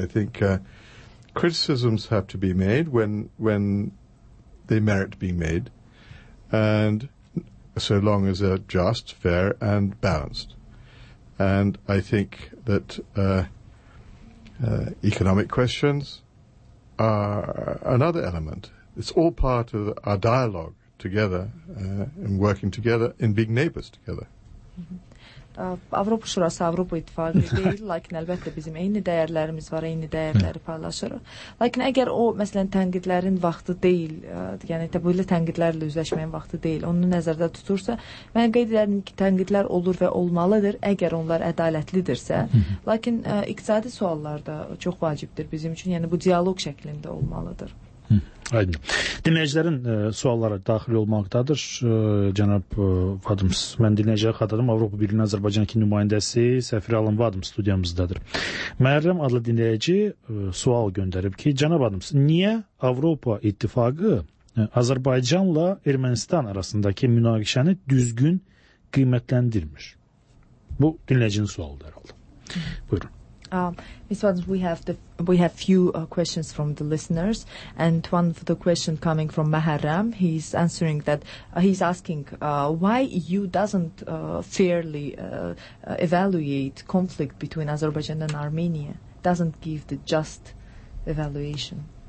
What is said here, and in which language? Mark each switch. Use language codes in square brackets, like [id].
[en] I think criticisms have to be made when they merit being made, and so long as they're just, fair, and balanced. And I think that economic questions are another element. It's all part of our dialogue together and working together in being neighbors together. Mm-hmm. [az] Avropa Şurası Avropa İttifaqı deyil, lakin əlbəttə bizim eyni dəyərlərimiz var, eyni dəyərləri paylaşırıq. Lakin əgər o, məsələn, tənqidlərin vaxtı deyil, yəni belə tənqidlərlə üzləşməyin vaxtı deyil, onu nəzərdə tutursa, mən qeyd edərdim ki, tənqidlər olur və olmalıdır, əgər onlar ədalətlidirsə. Lakin iqtisadi suallar da çox vacibdir bizim üçün, yəni bu dialoq şəklində olmalıdır. Aydın. Dinləyicilərin sualları daxil olmaqdadır. Cənab Vadims, mən dinləyicilərə xatırladım. Avropa Birliyinin Azərbaycanki nümayəndəsi Səfir Alın Vadim studiyamızdadır. Məhərrəm adlı dinləyici sual göndərib ki, Cənab Vadims, niyə Avropa İttifaqı Azərbaycanla Ermənistan arasındakı münaqişəni düzgün qiymətləndirmir? Bu dinləyicinin sualıdır herhalde. Buyurun. [en] Ms. Vadim, we have few questions from the listeners, and one of the question coming from Maharam. He's answering that he's asking why EU doesn't fairly evaluate conflict between Azerbaijan and Armenia, doesn't give the just evaluation.